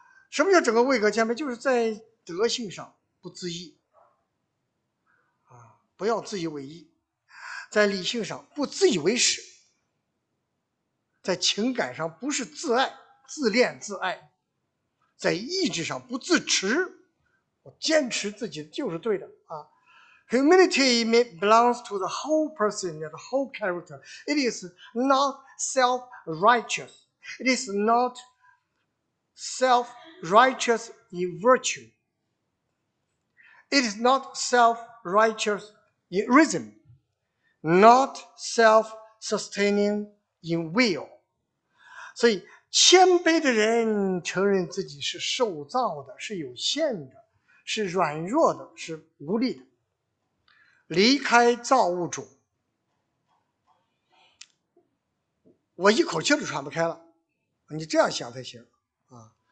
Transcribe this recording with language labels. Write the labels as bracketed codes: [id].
[zh] 什么叫整个位格谦卑？就是在德性上不自义，不要自以为意，在理性上不自以为是，在情感上不是自爱，自恋自爱，在意志上不自持，我坚持自己就是对的啊， [en] Humility belongs to the whole person, the whole character. It is not self-righteous. It is not self-righteous in virtue. It is not self-righteous in reason. Not self-sustaining in will. [zh] 所以谦卑的人承认自己是受造的，是有限的，是软弱的，是无力的，离开造物主。我一口气都喘不开了，你这样想才行啊！